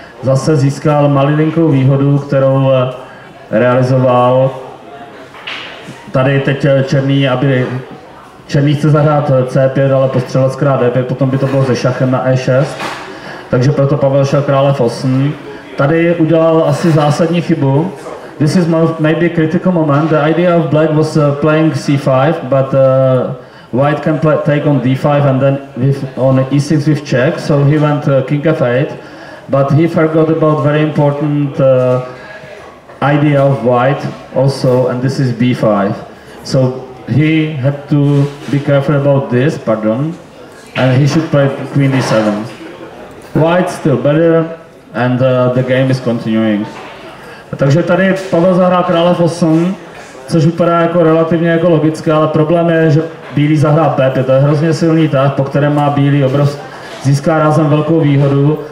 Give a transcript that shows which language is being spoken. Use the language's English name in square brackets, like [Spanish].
[Czech] Zase získal malinkou výhodu, kterou realizoval. Tady teď černý, aby černý chce zahrát c5, ale postřelil zkrát d5, potom by to bylo ze šachem na e6. Takže proto Pavel šel krále f8. Tady udělal asi zásadní chybu. [English] This is maybe a critical moment. The idea of black was playing c5, but white can play, take on d5 and then with, on e6 with check. So he went king f8. But he forgot about very important idea of white also, and this is b5. So he had to be careful about this, pardon, and he should play queen d7. White still better, and the game is continuing. [Czech] Takže tady Pavel zahrál krále f8, což vypadá jako relativně jako logické, ale problém je, že bílý zahrá b5. To je hrozně silný tah, po kterém má bílý získá rázem velkou výhodu.